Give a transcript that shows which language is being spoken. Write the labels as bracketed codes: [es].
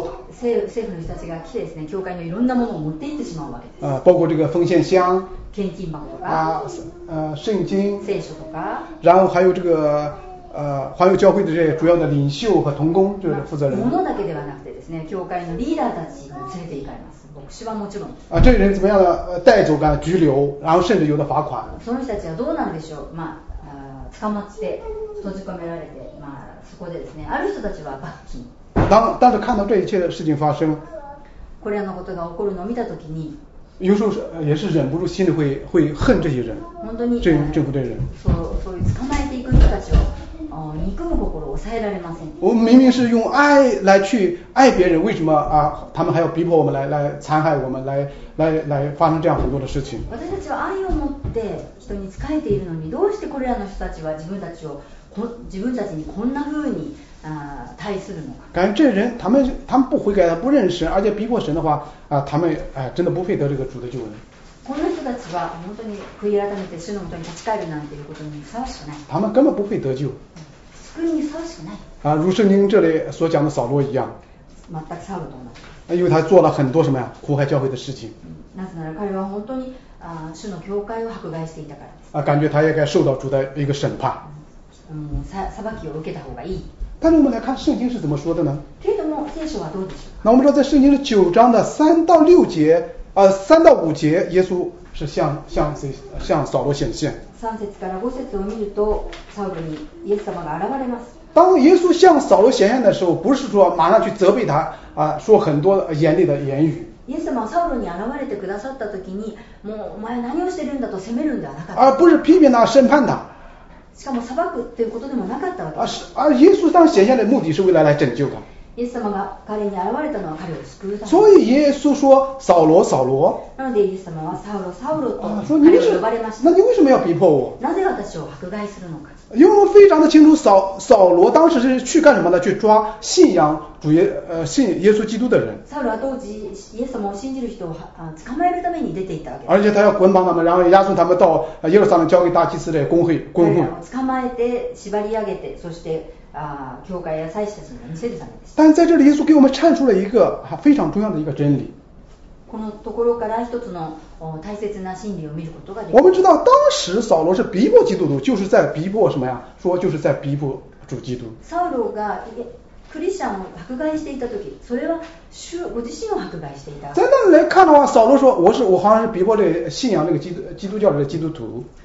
[ja] 政府の人たちが来てですね、教会のいろんなものを持って行ってしまうわけです。 [zh] 包括这个奉献箱、 [ja] 献金箱とか、 [zh] 圣经、 [ja] 聖書とか、 [zh] 然后还有这个还有教会的这些主要的领袖和同工、就是负责人。 [ja] 物だけではなくてですね、教会のリーダーたちも連れて行かれます。牧師はもちろん。 [zh] 这些人怎么样的带走干拘留、然后甚至有的罚款。 [ja] その人たちはどうなんでしょう。まあ捕まって閉じ込められて、まあそこでですね、ある人たちは罰金。 [zh] 当时看到这一切的事情发生， [ja] これらのことが起こるのを見たときに， [zh] 有时候也是忍不住心里会恨这些人， [ja] 本当に [zh] 政府的人， [ja] そういう捕まえていく人たちを憎む心を抑えられません。 [zh] 我们明明是用爱来去爱别人，为什么啊他们还要逼迫我们来残害我们，来发生这样很多的事情？ [ja] 私たちは愛を持って人に仕えているのに、どうしてこれらの人たちは自分たちにこんな風に対するのか。 [zh] 感觉这人他们不悔改，他不认识，而且逼迫神的话他们真的不配得这个主的救恩。 [ja] この人たちは本当に悔い改めて主のもとに立ち返るなんていうことにふさわしくない。 [zh] 他们根本不配得救。 [ja] 救いにふさわしくない。 [zh] 如圣经这里所讲的扫罗一样。 [ja] 全くサウルと同じ。 [zh] 因为他做了很多什么呀苦害教会的事情。 [ja] なぜなら彼は本当に主の教会を迫害していたからです。 [zh] 感觉他也该受到主的一个审判。 [ja] 裁きを受けた方がいい。 [zh] 但是我们来看圣经是怎么说的呢？这个么圣书啊，都是。那我们知道，在圣经的九章的三到六节，三到五节，耶稣是向扫罗显现。 [ja] 三节から五节を見ると、サウルにイエス様が現れます。 [zh] 当耶稣向扫罗显现的时候，不是说马上去责备他啊，说很多严厉的言语。 [ja] イエス様サウルに現れてくださった時に、もうお前何をしてるんだと責めるんではなかった。 [zh] 不是批评他，审判他。 [ja] しかも裁くっていうことでもなかったわけです。 [zh] 耶稣当显现的目的是为了来拯救他。 [ja] イエス様が彼に現れたのは彼を救うため。 [zh] 所以耶稣说扫罗扫罗。 [ja] なのでイエス様はサウロサウロと彼を呼ばれました。 [zh] 那你为什么要逼迫我？ [ja] なぜ私を迫害するのか？ [zh] 因为我非常的清楚扫罗当时是去干什么的？去抓信仰主耶信耶稣基督的人。 [ja] サウロは当時イエス様を信じる人を捕まえるために出ていたわけ。 [zh] 而且他要捆绑他们，然后押送他们到耶路撒冷交给大祭司的公会公会。 [ja] 捕まえて縛り上げて、そして教会や祭司たちに見せるためです。 [zh] 但在这里，耶稣给我们阐述了一个非常重要的一个真理。 [ja] このところから一つの大切な真理を見ることができます。 [zh] 我们知道当时扫罗是逼迫基督徒，就是在逼迫什么呀？说就是在逼迫主基督。 [ja] サウロがクリスチャンを迫害していた時、それは主ご自身を迫害していた。 [zh] 在那里来看的话，扫罗说我好像是逼迫这信仰那个基督教的基督徒。